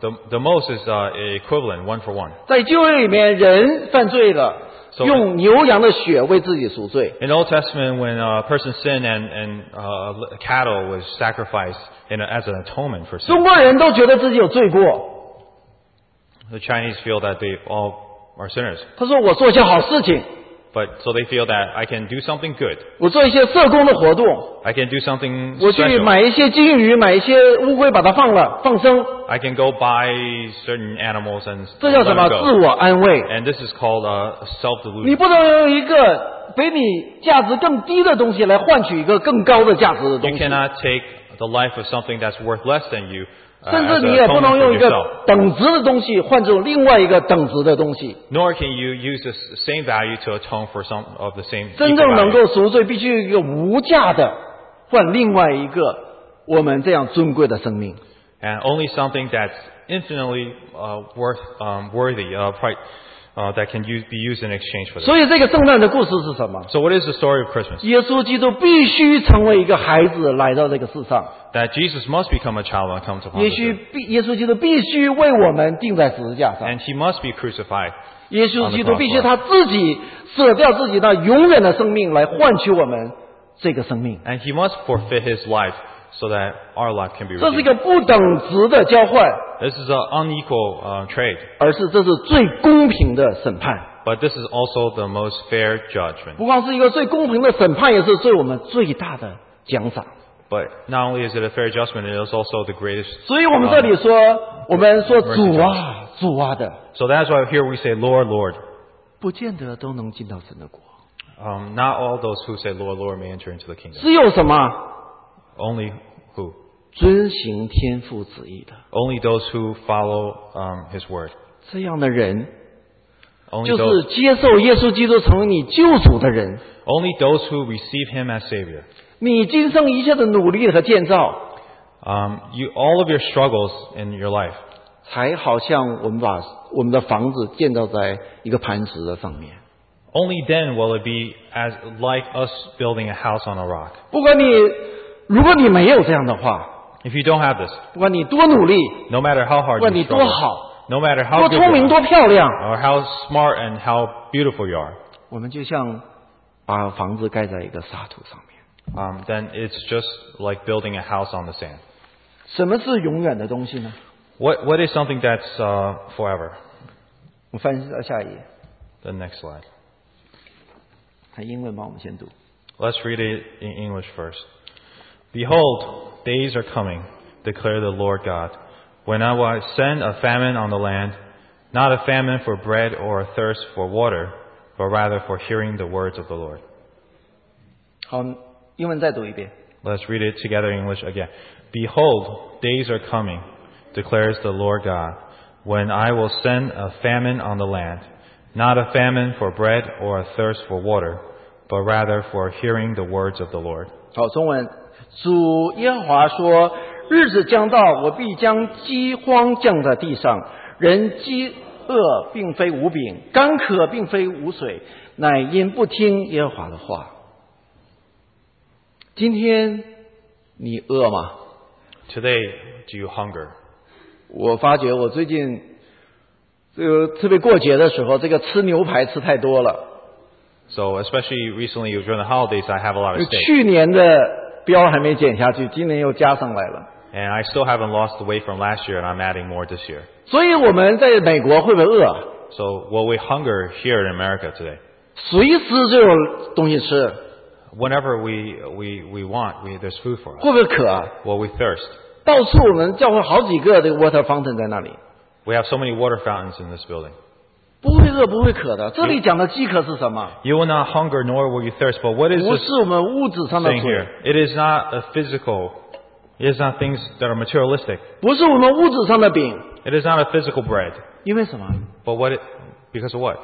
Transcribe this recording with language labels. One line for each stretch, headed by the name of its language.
English: The most is equivalent one for one.
Chinese: 在旧约里面，人犯罪了，
English: so,
Chinese: 用牛羊的血为自己赎罪。
English: In Old Testament, when a person sinned and cattle was sacrificed as an atonement for sin.
Chinese: 中国人都觉得自己有罪过。
English: The Chinese feel that they all are sinners.
Chinese: 他说我做些好事情。
English: But so they feel that I can do something good.
Chinese: 我做一些社工的活动。
English: I can do something special.
Chinese: 我去买一些金鱼，买一些乌龟，把它放了，放生。
English: I can go buy certain animals and
Chinese: 这叫什么？自我安慰。
English: And this is called a self-delusion.
Chinese: 你不能用一个比你价值更低的东西来换取一个更高的价值的东西。
English: You cannot take the life of something that's worth less than you.
Chinese: 甚至你也不能用一个等值的东西换成另外一个等值的东西。
English: Nor can you use the same value to atone for some of the same.
Chinese: 真正能够赎罪，必须一个无价的换另外一个我们这样尊贵的生命。
English: And only something that's infinitely worthy of price, that can be used in exchange for that.
Chinese: 所以这个圣诞的故事是什么
English: ？So what is the story of Christmas?
Chinese: 耶稣基督必须成为一个孩子来到这个世上。
English: That Jesus must become a child and come to earth.
Chinese: 耶稣基督必须为我们钉在十字架上。
English: And he must be crucified.
Chinese: 耶稣基督必须他自己舍掉自己那永远的生命来换取我们这个生命。
English: And he must forfeit his life so that our life can be redeemed.
Chinese: 这是一个不等值的交换。
English: This is an unequal trade.
Chinese: 而是这是最公平的审判。
English: But this is also the most fair judgment.
Chinese: 不光是一个最公平的审判，也是对我们最大的奖赏。
English: But not only is it a fair judgment, it is also the greatest.
Chinese: 所以我们这里说，我们说主啊，主啊的。
English: So that's why here we say, Lord, Lord.
Chinese: 不见得都能进到神的国。
English: Not all those who say, Lord, Lord, may enter into the kingdom.
Chinese: 只有什么？
English: Only who?
Chinese: 遵行天父旨意的。
English: Only those who follow His word.
Chinese: 这样的人，
English: only
Chinese: 就是接受耶稣基督成为你救主的人。
English: Only those who receive Him as Savior.
Chinese: 你今生一切的努力和建造，
English: you all of your struggles in your life.
Chinese: 才好像我们把我们的房子建造在一个磐石的上面。
English: Only then will it be as like us building a house on a rock.
Chinese: 不管你如果你没有这样的话，
English: if you don't have this,
Chinese: 不管你多努力，
English: no matter how hard,
Chinese: 不管你多好，
English: no matter how
Chinese: 多聪明多漂亮，
English: or how smart and how beautiful you are,
Chinese: 我们就像把房子盖在一个沙土上面。
English: Then it's just like building a house on the sand.
Chinese: 什么是永远的东西呢？
English: What is something that's forever?
Chinese: 我翻译到下一页。
English: The next slide.
Chinese: 他英文帮我们先读。
English: Let's read it in English first. Behold, days are coming declare the Lord God. When I will send a famine on the land, not a famine for bread or a thirst for water, but rather for hearing the words of the Lord.
Chinese: 好, 英文再读一遍。
English: Let's read it together in English again. Behold, days are coming, declares the Lord God, when I will send a famine on the land, not a famine for bread or a thirst for water, but rather for hearing the words of the Lord.
Chinese: 好, 中文, 主耶和华说, 日子将到, 我必将饥荒降在地上, 人饥饿并非无饼, 干渴并非无水, 乃因不听耶和华的话。今天你饿吗?
English: Today, do you hunger?
Chinese: 我发觉我最近, 特别过节的时候, 这个吃牛排吃太多了。
English: So especially recently during the holidays, I have a lot of steak.
Chinese: 去年的膘还没减下去, 今年又加上来了。
English: And I still haven't lost the weight from last year, and I'm adding more this year.
Chinese: 所以我们在美国会不会饿?
English: So will we hunger here in America today?
Chinese: 随时就有东西吃。
English: Whenever we want, there's food for us.
Chinese: 会不会渴?
English: Will we thirst?
Chinese: 到处我们教会好几个
English: water fountain
Chinese: 在那里。
English: We have so many water fountains in this building.
Chinese: 不会饿不会渴的, 这里讲的饥渴是什么?
English: You will not hunger nor will you thirst, but what is this thing here? It is not a physical, it is not things that are materialistic.
Chinese: 不是我们物质上的饼。
English: It is not a physical bread.
Chinese: 因为什么?
English: But what it, because of what?